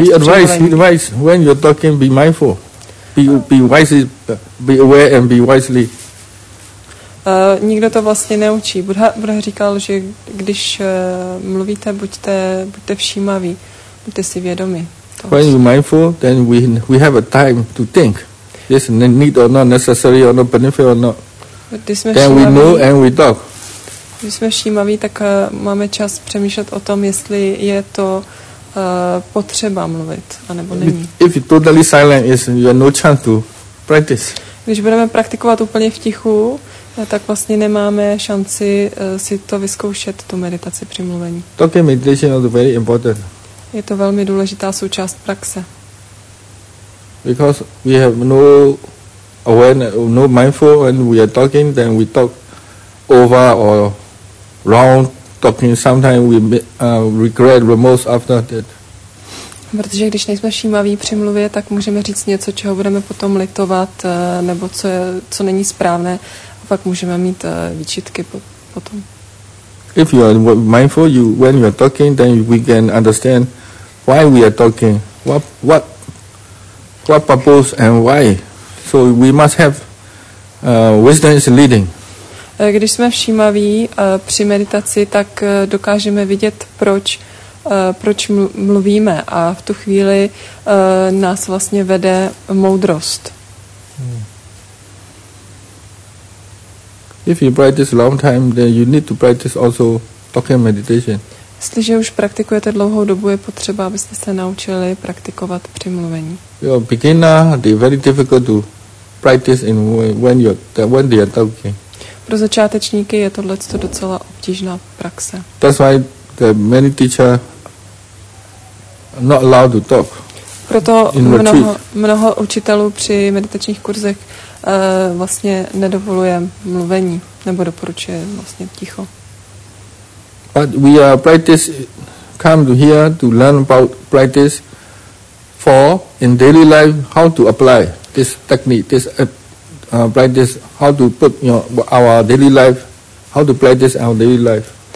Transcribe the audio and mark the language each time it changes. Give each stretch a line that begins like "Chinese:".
English: He advise, when you're talking, be mindful. Be wisely, be aware and be wisely.
Czech: Nikdo to vlastně neučí. Buddha říkal, že když mluvíte, buďte všímaví, buďte si vědomi.
English: When you're mindful, then we have a time to think. Is need or not necessary or not benefit or not. Then we know and we talk.
Czech: Když jsme všímaví, tak máme čas přemýšlet o tom, jestli je to potřeba mluvit, anebo není.
English: If you're totally silent, you have no chance to practice.
Czech: Když budeme praktikovat úplně v tichu, tak vlastně nemáme šanci si to vyzkoušet, tu meditaci při mluvení.
English: Talking meditation is very important.
Czech: Je to velmi důležitá součást praxe.
English: Because we have no awareness, no mindful, when we are talking, then we talk over or round talking. Sometimes we regret remorse after that.
Czech: Protože když nejsme všímaví při mluvě, tak můžeme říct něco, čeho budeme potom litovat, nebo co je, co není správné, a pak můžeme mít výčitky potom.
English: If you are mindful, you when you are talking, then we can understand why we are talking, what purpose and why. So we must have wisdom is leading.
Czech: Když jsme všímaví při meditaci, tak dokážeme vidět proč. Proč mluvíme, a v tu chvíli nás vlastně vede moudrost.
English: If you practice long time, then you need to practice also talking meditation.
Czech: Jestliže už praktikujete dlouhou dobu, je potřeba, abyste se naučili praktikovat při mluvení.
English: You are beginner, it's very difficult to practice in when they are talking.
Czech: Pro začátečníky je tohle to docela obtížná praxe.
English: That's why the many teacher not allowed to talk.
Czech: Proto mnoho učitelů při meditačních kurzech vlastně nedovoluje mluvení, nebo doporučuje vlastně ticho.
English: But we are practice come to here to learn about practice for in daily life how to apply this technique, this practice, how to put our daily life, how to practice our daily life.